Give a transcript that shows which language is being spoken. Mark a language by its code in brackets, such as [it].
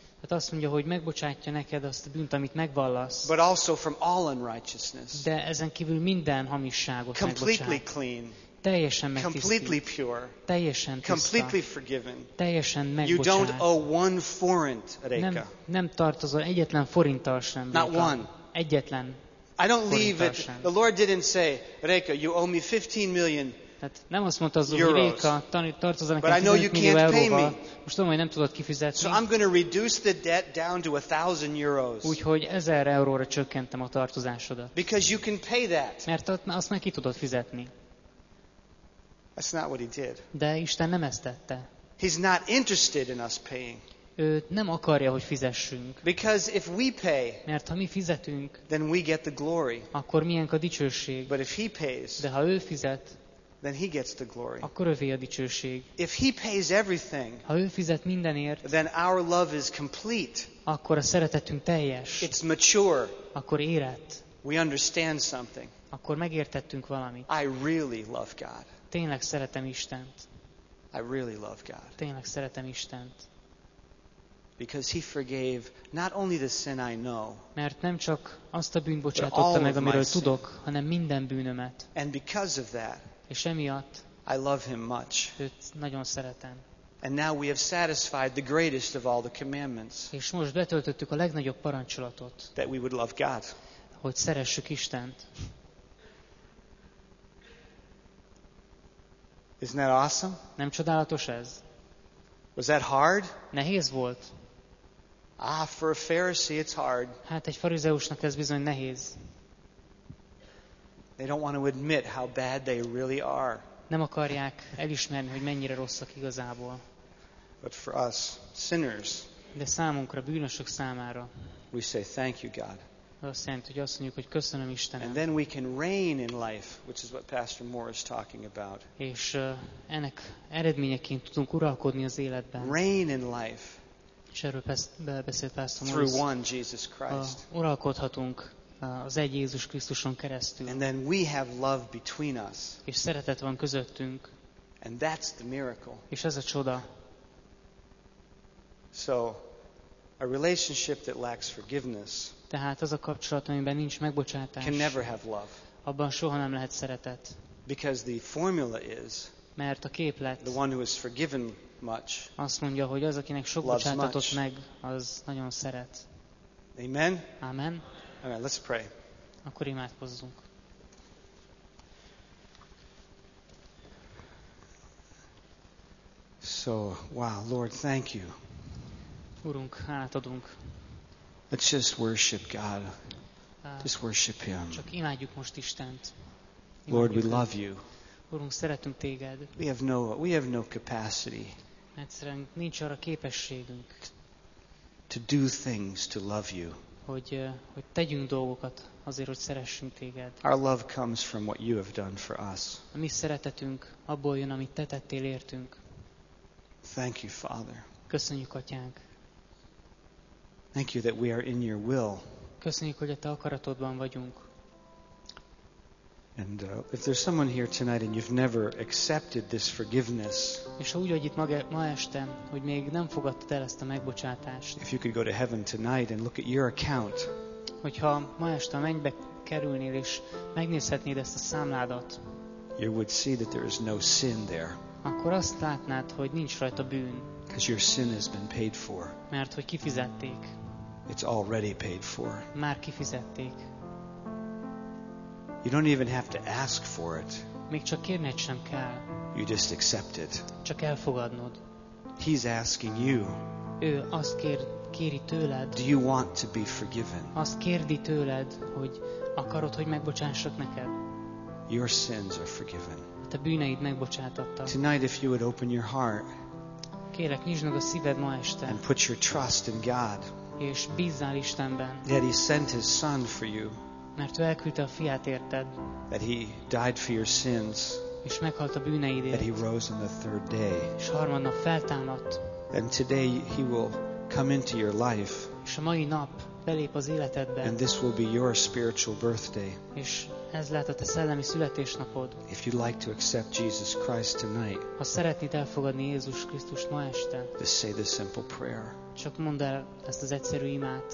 [hu] Hát azt mondja, hogy megbocsátja neked azt a bűnt, amit megvallasz. [en] But also from all unrighteousness. [hu] De ezen kívül minden hamisságot [en] Completely [hu] megbocsát. [en] Clean. [hu] Teljesen megtisztít. [en] Completely pure. [hu] Teljesen tiszta. [en] Completely forgiven. [hu] Teljesen megbocsát. [en] You don't owe one forint, Réka. [hu] Nem tartozol egyetlen forinttal sem. [en] Not one. [hu] Egyetlen. [en] I don't leave it. The Lord didn't say, Réka, you owe me 15 million. [hu] Tehát nem azt mondta az, hogy Réka, tartozol nekem 15 millió euróval. Most tudom, hogy nem tudod kifizetni. [en] So I'm going to reduce the debt down to 1,000 euros. [hu] Úgyhogy 1,000 euróra csökkentem a tartozásodat. [en] Because you can pay that. [hu] Mert azt meg ki tudod fizetni. [en] That's not what he did. [hu] De Isten nem ezt tette. [en] He's not interested in us paying. [hu] Ő nem akarja, hogy fizessünk. [en] Because if we pay, [hu] mert ha mi fizetünk, [en] then we get the glory. [hu] Akkor miénk a dicsőség. [en] But if he pays, [hu] de ha ő fizet, [en] then he gets the glory. [hu] Akkor övé a dicsőség. [en] If he pays everything, [hu] ha ő fizet mindenért, [en] then our love is complete. [hu] Akkor a szeretetünk teljes. [en] It's mature. [hu] Akkor érett. [en] We understand something. [hu] Akkor megértettünk valamit. [en] I really love God. [hu] Tényleg szeretem Istent. [en] I really love God. [hu] Tényleg szeretem Istent. [en] Because he forgave not only the sin I know. [hu] Mert nem csak azt a bűnt bocsátotta meg, amiről tudok, hanem minden bűnömet. [en] And because of that. [hu] És emiatt. [en] I love him much. [hu] Őt nagyon szeretem. [en] And now we have satisfied the greatest of all the commandments. [hu] És most betöltöttük a legnagyobb parancsolatot. [en] That we would love God. [hu] Hogy szeressük Istent. [en] Isn't that awesome? [hu] Nem csodálatos ez? [en] Was that hard? [hu] Nehéz volt. [en] Ah, for a Pharisee it's hard. [hu] Hát egy farizeusnak ez bizony nehéz. [en] They don't want to admit how bad they really are. [hu] Nem akarják elismerni, hogy mennyire rosszak igazából. [en] But for us, sinners, [hu] de számunkra, bűnösök számára, [en] we say thank you, God. [hu] Azt jelenti, hogy azt mondjuk, hogy köszönöm Istenem. [en] And then we can reign in life, which is what Pastor Moore is talking about. [hu] És ennek eredményeként tudunk uralkodni az életben. [en] Reign in life. [hu] És erről beszélt Pastor Moore. [en] Through one Jesus Christ. [hu] Uralkodhatunk az egy Jézus Krisztuson keresztül. [en] And then we have love between us. [hu] És szeretet van közöttünk. [en] And that's the miracle. [hu] És ez a csoda. [en] So, a relationship that lacks forgiveness. [hu] Tehát az a kapcsolat, amiben nincs megbocsátás. [en] Can never have love. [hu] Abban soha nem lehet szeretet. [en] Because the formula is. [hu] Mert a képlet. [en] The one who is forgiven much. [hu] Azt mondja, hogy az, akinek sok bocsátatott meg, az nagyon szeret. [en] Amen. [hu] Amen. [en] Amen. Let's pray. [hu] Akkor imádkozzunk. [en] So, wow, Lord, thank you. [hu] Urunk, hálát adunk. [en] Let's just worship God. Just worship Him. [hu] Csak imádjuk most Istent. [en] Lord, we love you. [hu] Urunk, szeretünk téged. [en] We have no capacity. [hu] Egyszerűen nincs arra képességünk. [en] To do things to love you. [hu] Hogy tegyünk dolgokat azért, hogy szeressünk téged. [en] Our love comes from what you have done for us. [hu] A mi szeretetünk abból jön, amit te tettél értünk. [en] Thank you, Father. [hu] Köszönjük, Atyánk. [en] Thank you that we are in your will. [hu] Köszönjük, hogy a te akaratodban vagyunk. [en] And if there's someone here tonight and you've never accepted this forgiveness. [hu] És ha úgy vagy itt ma este, hogy még nem fogadtad el ezt a megbocsátást. [en] If you could go to heaven tonight and look at your account. [hu] Hogyha ma este a mennybe kerülnél és megnézhetnéd ezt a számládat. [en] You would see that there is no sin there. [hu] Akkor azt látnád, hogy nincs rajta bűn. [en] Because your sin has been paid for. [hu] Mert hogy kifizették. [en] It's already paid for. [hu] Már kifizették. [en] You don't even have to ask for it. [hu] Még csak kérned sem kell. [en] You just accept it. [hu] Csak elfogadnod. [en] He's asking you. [hu] Ő azt kéri tőled. [en] Do you want to be forgiven? [hu] Azt kérdi tőled, hogy akarod, hogy megbocsássak neked. [en] Your sins are forgiven. [hu] Te bűneid megbocsátottak. [en] Tonight, if you would open your heart, [hu] kérlek, nyisd meg a szíved ma este, [en] and put your trust in God, [hu] és bízzál Istenben, [en] that He sent His Son for you, [hu] mert ő elküldte a fiát érted, [en] that He died for your sins, [hu] és meghalt a bűneidért, [en] that He rose on the third day, [hu] és harmadnap feltámadt, [en] and today He will come into your life, [hu] és a mai nap belép az életedbe, [en] and this will be your spiritual birthday, [hu] és ez lehet a te szellemi születésnapod. [en] If you'd like to accept Jesus Christ tonight, [hu] ha szeretnéd elfogadni Jézus Krisztust ma este, [en] just say this simple prayer. [hu] Csak mondd el ezt az egyszerű imát.